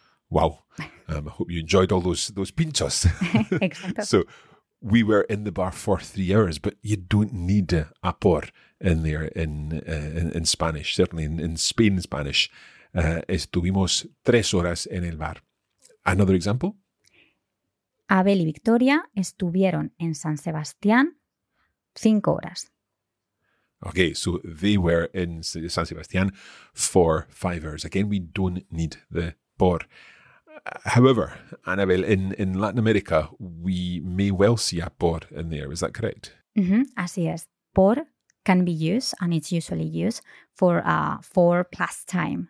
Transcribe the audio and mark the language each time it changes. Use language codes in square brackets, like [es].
[en] Wow. I hope you enjoyed all those pinchos. [es] Exacto. [en] So, we were in the bar for 3 hours, but you don't need a por in there in Spanish, certainly in Spain Spanish. [es] Estuvimos 3 horas en el bar. [en] Another example? [es] Abel y Victoria estuvieron en San Sebastián 5 horas. [en] Okay, so they were in San Sebastián for 5 hours. Again, we don't need the por. However, Anabel, in Latin America, we may well see a por in there. Is that correct? [es] Mm-hmm, así es. [en] Por can be used, and it's usually used, for plus time.